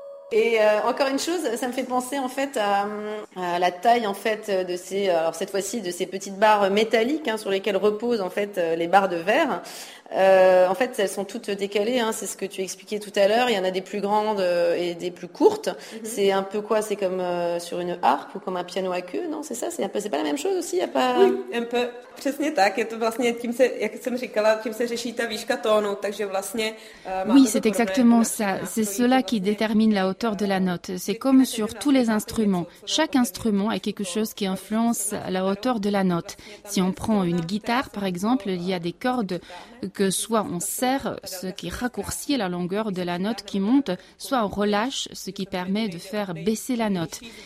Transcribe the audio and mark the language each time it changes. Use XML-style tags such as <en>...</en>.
<fr>Et encore une chose, ça me fait penser en fait à la taille en fait de ces, alors cette fois-ci de ces petites barres métalliques, hein, sur lesquelles reposent en fait les barres de verre. En fait, elles sont toutes décalées, hein, c'est ce que tu expliquais tout à l'heure. Il y en a des plus grandes et des plus courtes. Mm-hmm. C'est un peu quoi? C'est comme sur une harpe ou comme un piano à queue, non? C'est ça? C'est pas la même chose aussi? Il y a pas? Oui, un peu.</fr> <cs>Přesně tak. Je to vlastně tím se, jak jsem říkala, tím se řeší ta výška tónu. Takže vlastně.</cs> <fr>Oui, c'est exactement ça. C'est cela qui détermine la hauteur de la note. C'est comme sur tous les instruments. Chaque instrument a quelque chose qui influence la hauteur de la note. Si on prend une guitare, par exemple, il y a des cordes que soit on serre, ce qui raccourcit la longueur de la note qui monte, soit on relâche, ce qui permet de faire baisser la note.</fr>